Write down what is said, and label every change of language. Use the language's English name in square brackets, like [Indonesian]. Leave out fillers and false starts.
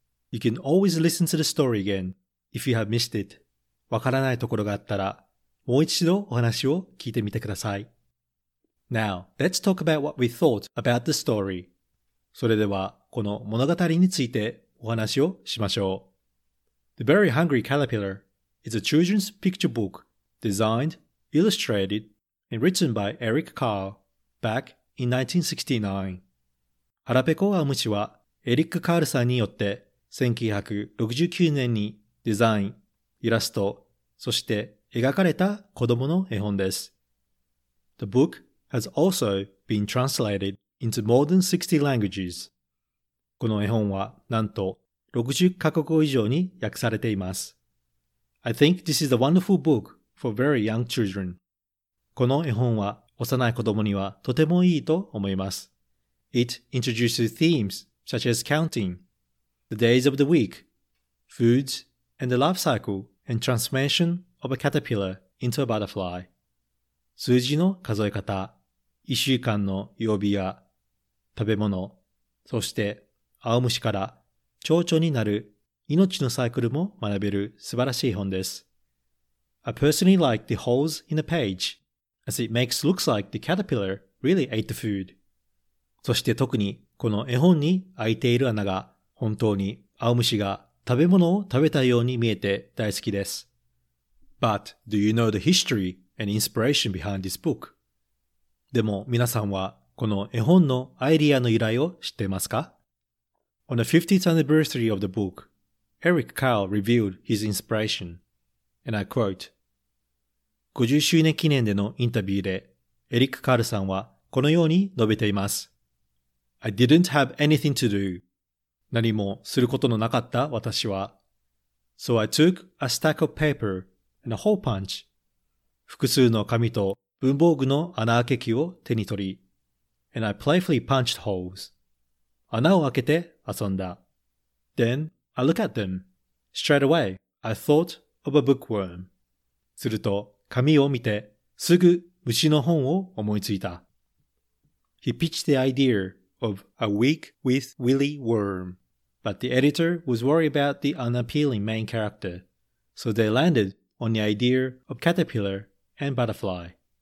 [English] ?You can always listen to the story again if you have missed it. [Japanese] わからないところがあったら、もう一度お話を聞いてみてください。 [English] Now, let's talk about what we thought about the story. [Japanese] それでは、この物語についてお話をしましょう。 [English] The Very Hungry Caterpillar is a children's picture book designed, illustrated, and written by Eric Carle back in 1969. [Japanese] ハラペコアムシはエリック・カールさんによって1969年にデザイン、イラスト、そして描かれた子供の絵本です。 [English] The book has also been translated into more than 60 languages. [Japanese] この絵本はなんと60カ国以上に訳されています。 [English] I think this is a wonderful book for very young children. [Japanese] この絵本は幼い子供にはとてもいいと思います。 [English] It introduces themes such as counting, the days of the week, foods, and the life cycle and transformation of a caterpillar into a butterfly. [Japanese] 数字の数え方、1週間の曜日や食べ物、そして青虫から蝶々になる命のサイクルも学べる素晴らしい本です。 [English] I personally like the holes in the page, as it makes looks like the caterpillar really ate the food. [Japanese] そして特にこの絵本に開いている穴が本当に青虫が食べ物を食べたように見えて大好きです。 [English] But do you know the history and inspiration behind this book? [Japanese] でも皆さんはこの絵本のアイディアの由来を知っていますか？ [English] On the 50th anniversary of the book, Eric Carle revealed his inspiration, and I quote, [Japanese] 50周年記念でのインタビューで、エリック・カールさんはこのように述べています。 [English] I didn't have anything to do. [Japanese] 何もすることのなかった私は。 [English] So I took a stack of paper and a hole punch [Japanese] 複数の紙と文房具の穴開け器を手に取り、 [English] And I playfully punched holes. [Japanese] 穴を開けて遊んだ。 [English] Then I look at them. Straight away, I thought of a bookworm. [Japanese] すると紙を見てすぐ虫の本を思いついた。 [English] He pitched the idea of a week with Willy Worm, but the editor was worried about the unappealing main character, so they landed on the idea of caterpillar and butterfly.